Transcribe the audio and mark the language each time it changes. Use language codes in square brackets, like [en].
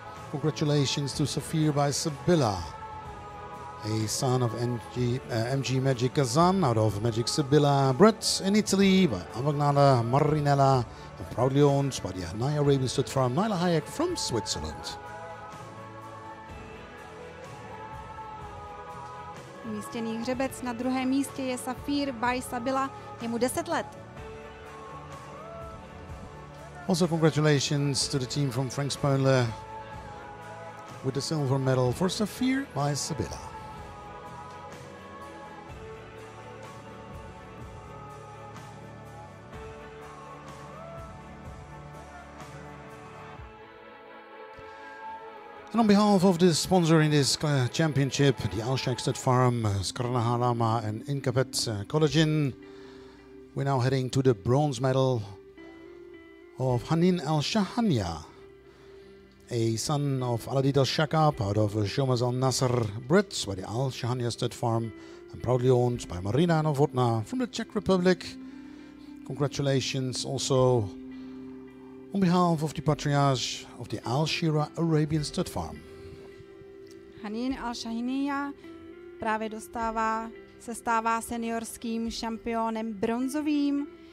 [en] Congratulations to Safir by Sibylla, a son of MG Magic Kazan out of Magic Sibylla. Brett in Italy by Avagnala Marinella, and proudly owned by the Naya Ravenstedt from Nyla Hayek from Switzerland. [cs] Umístěný hřebec na druhém místě je Safir by Sibylla, je mu 10 let. [en] Also congratulations to the team from Frank Spoenle with the silver medal for Safir by Sibylla. And on behalf of the sponsor in this championship, the Alshackstedt Farm, Skarnahalama and Incapet Collagen, we're now heading to the bronze medal of Hanin Al Shahania, a son of Aladid Al Shakab out of Shomaz Al Nasr, Brits by the Al Shahania Stud Farm and proudly owned by Marina Novotna from the Czech Republic. Congratulations also on behalf of the Patriarch of the Al Shira Arabian Stud Farm. [cs] Hanin Al Shahania právě dostává, se stává seniorským šampionem bronzovým.